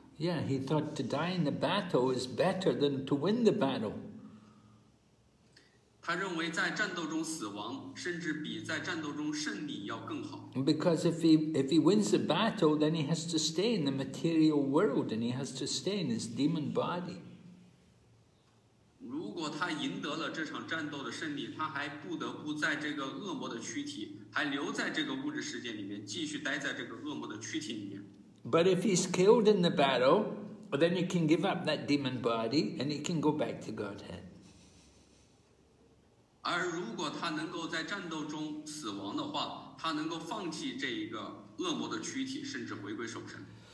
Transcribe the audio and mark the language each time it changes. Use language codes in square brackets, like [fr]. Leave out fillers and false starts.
[en] Yeah, he thought to die in the battle is better than to win the battle. [zh] 他认为在战斗中死亡，甚至比在战斗中胜利要更好。 [en] Because if he wins the battle, then he has to stay in the material world, and he has to stay in his demon body. [zh] 如果他赢得了这场战斗的胜利，他还不得不在这个恶魔的躯体。还留在这个物质世界里面，继续待在这个恶魔的躯体里面。 [en] But if he's killed in the battle, then he can give up that demon body and he can go back to Godhead. [zh] 而如果他能够在战斗中死亡的话，他能够放弃这一个恶魔的躯体，甚至回归守神。